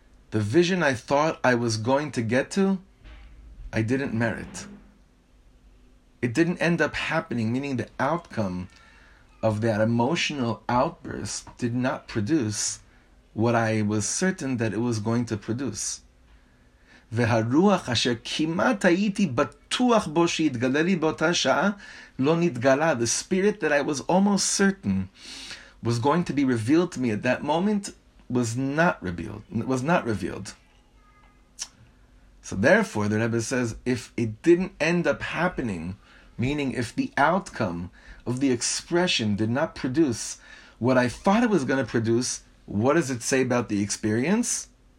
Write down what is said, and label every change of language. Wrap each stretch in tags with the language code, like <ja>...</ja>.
<en>The vision I thought I was going to get to, I didn't merit. It didn't end up happening, meaning the outcome of that emotional outburst did not produce what I was certain that it was going to produce.</en> <he>והרוח אשר כמעט הייתי בטוח בו שהתגלה לי באותה שעה לא נתגלה.</he> <en>The spirit that I was almost certain was going to be revealed to me at that moment was not revealed. So therefore, the Rebbe says, if it didn't end up happening, meaning if the outcome of the expression did not produce what I thought it was going to produce, what does it say about the experience?</en>